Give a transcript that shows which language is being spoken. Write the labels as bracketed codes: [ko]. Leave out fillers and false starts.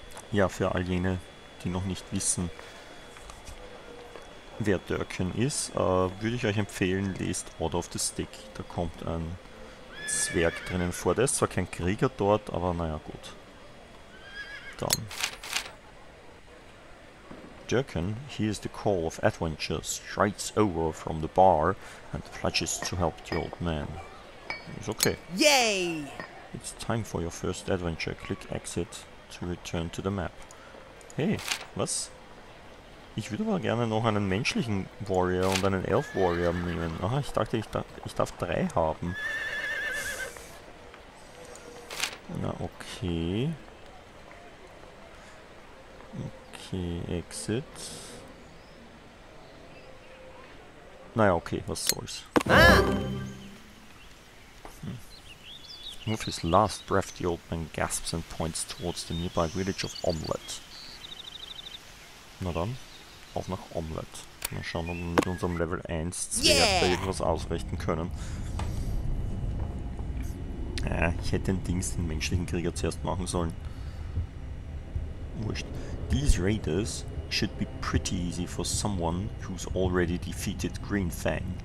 [de] Ja, für all jene, die noch nicht wissen, wer Durkin ist, würde ich euch empfehlen, lest Order of the Stick. Da kommt ein Zwerg drinnen vor. Der ist zwar kein Krieger dort, aber naja, gut. Dann. [en] Jerkin hears the call of adventure, strides over from the bar and pledges to help the old man. It's okay. Yay! It's time for your first adventure. Click exit to return to the map. [de] Hey, was? Ich würde aber gerne noch einen menschlichen Warrior und einen Elf Warrior nehmen. Aha, ich dachte, ich darf drei haben. Na, okay. [en] Exit. [de] Naja, okay, was soll's. [en] With his last breath, the old man gasps and points towards the nearby village of Omelette. [de] Na dann, auf nach Omelette. Mal schauen, ob wir mit unserem Level 1 Zwerg irgendwas ausrichten können. Ich hätte den Dings den menschlichen Krieger zuerst machen sollen. Wurscht. [en] These raiders should be pretty easy for someone who's already defeated Green Fang.